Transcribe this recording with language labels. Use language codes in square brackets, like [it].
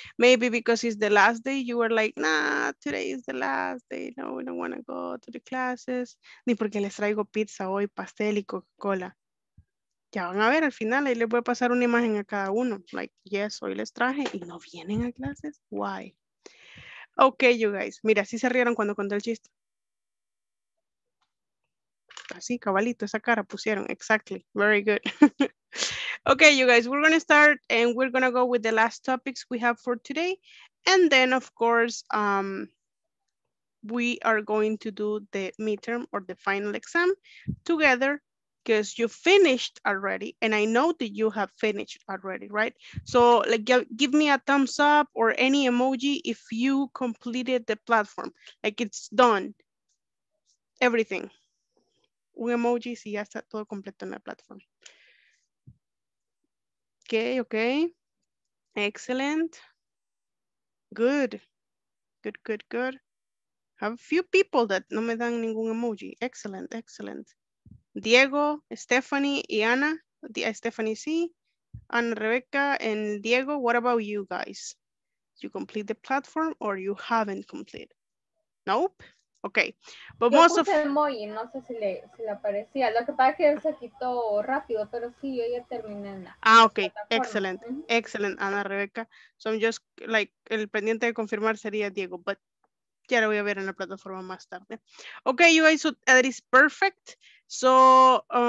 [en] Maybe because it's the last day, you were like, nah, today is the last day. No, we don't want to go to the classes. [es] Ni porque les traigo pizza hoy, pastel y Coca-Cola. Ya van a ver al final, ahí les voy a pasar una imagen a cada uno. [en] Like, yes, [es] hoy les traje y no vienen a clases. [en] Why? Ok, you guys. [es] Mira, sí se rieron cuando conté el chiste. Así, cabalito, esa cara pusieron. [en] Exactly. Very good. Ok, you guys, we're going to start and we're going to go with the last topics we have for today. And then, of course, we are going to do the midterm or the final exam together because you finished already. And I know that you have finished already, right? So like, give me a thumbs up or any emoji if you completed the platform. Like, it's done. Everything. [es] Un emoji si ya está todo completo en la plataforma. [en] Okay, okay. Excellent. Good. Good, good, good. Have a few people that [es] no me dan ningún emoji. [en] Excellent, excellent. [es] Diego, Stephanie, y Ana. Stephanie, sí. [en] Ana, Rebecca, and Diego. What about you guys? You complete the platform or you haven't completed? Nope. Okay. But yo most of... [es] emoji, no sé si le, si le aparecía. Lo que pasa es que él se quitó rápido, pero sí, yo ya terminé. [en] Ah, okay. Plataforma. Excellent. Mm-hmm. Excellent, Ana, Rebecca. So I'm just like, [es] el pendiente de confirmar sería [en] Diego, but [es] ya lo voy a ver en la plataforma más tarde. [en] Okay, you guys, so that is perfect. So,